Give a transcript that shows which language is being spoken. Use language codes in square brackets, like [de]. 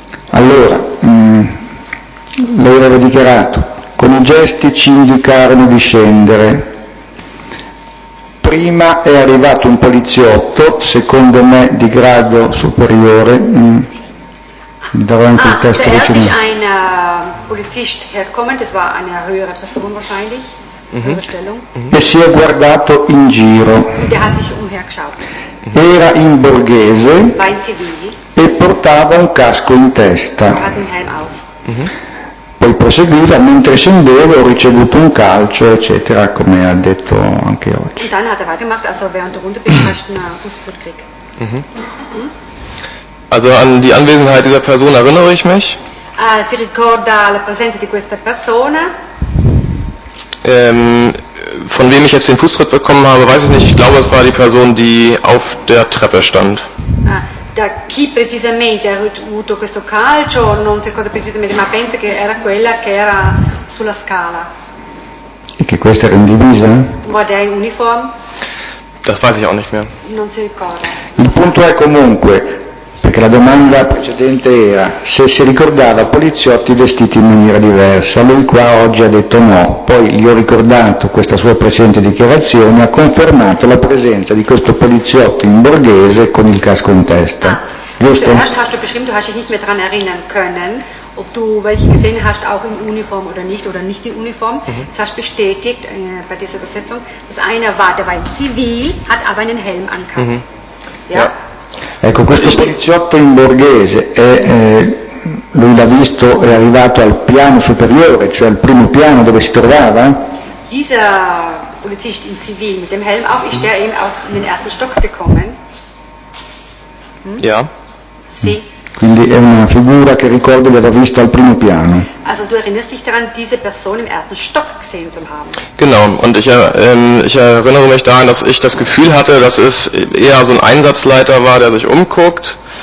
[it] Allora, lei aveva dichiarato: con i gesti ci indicarono di scendere. Prima è arrivato un poliziotto, secondo me di grado superiore. Darò anche il testo vicino. [de] Cioè, erst ist ein Polizist herkommen, das war eine höhere Person wahrscheinlich, [it] E si è guardato in giro. [de] Der hat sich umhergeschaut. [it] Era in borghese. [de] War in civili. [it] E portava un casco in testa. [de] Hat einen Helm auf. [it] Poi proseguiva, mentre scendevo ho ricevuto un calcio, eccetera, come ha detto anche oggi. [de] Dann hat er weitergemacht, also während der Runde bin ich fast einen Fußtritt krieg. Also an die Anwesenheit dieser Person erinnere ich mich. [it] Si ricorda la presenza di questa persona. [de] Von wem ich jetzt den Fußtritt bekommen habe, weiß ich nicht. Ich glaube, es war die Person, die auf der Treppe stand. [it] Da chi precisamente ha avuto questo calcio, non si ricorda precisamente, ma pensa che era quella che era sulla scala. E che questa era in divisa? [de] War der in uniform? Das weiß ich auch nicht mehr. [it] Non si ricorda. Il punto è comunque, perché la domanda precedente era se si ricordava poliziotti vestiti in maniera diversa. Lui qua oggi ha detto no, poi gli ho ricordato questa sua precedente dichiarazione, ha confermato la presenza di questo poliziotto in borghese con il casco in testa. Giusto? [de] Zuerst hast du beschrieben, du hast dich nicht mehr daran erinnern können, ob du welche gesehen hast, auch in Uniform oder nicht in Uniform. Das hast bestätigt bei dieser Übersetzung. Das eine war, der war in Zivil, hat aber einen Helm angehabt. Ja? [it] Ecco, questo poliziotto in borghese, lui l'ha visto, è arrivato al piano superiore, cioè al primo piano dove si trovava? [de] Dieser Polizist in Zivil mit dem Helm auf, ist der eben auch in den ersten Stock gekommen? Ja. [it] Sì. Quindi è una figura che ricordo di aver visto al primo piano. [de] Also du erinnerst dich daran, diese Person im ersten Stock gesehen zu haben. Genau, und ich erinnere mich daran, dass ich das Gefühl hatte, dass es eher so ein Einsatzleiter war, der sich umguckt